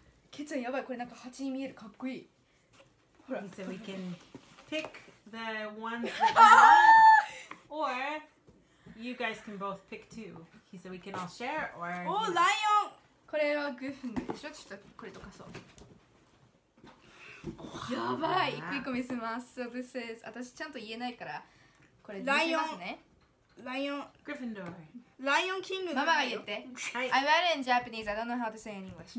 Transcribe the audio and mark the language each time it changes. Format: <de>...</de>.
<ja>ケちゃんやばい、これなんか蜂に見える、かっこいい。ほら。</ja> <en>So we can pick the ones that we want, or you guys can both pick two. So we can all share, or...</en> <ja>おー、ライオン！これはグフンでしょ？ちょっとこれとかそう。やばい！一個一個見せます。</ja> <en>So this is...</en> <ja>私ちゃんと言えないから、これ見せますね。</ja> <en>Lion, Gryffindor, Lion King. Mama, you say. I read it in Japanese. I don't know how to say it in English.</en>